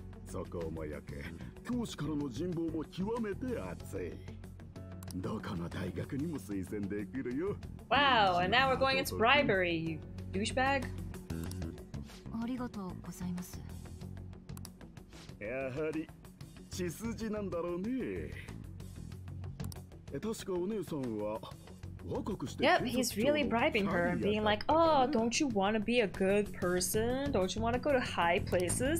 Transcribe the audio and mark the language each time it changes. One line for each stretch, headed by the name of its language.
Japanese: そこもよく、教師からの人望も極めて厚い。どこの大学にも推薦できるよ。
English: Wow, and now we're going into bribery, you douchebag.
Japanese: ありがとうございます。やはり、血筋なんだろうね。確かお姉さんは、
English: Yep, he's really bribing her and being like, oh, don't you want to be a good person? Don't you want to go to high places?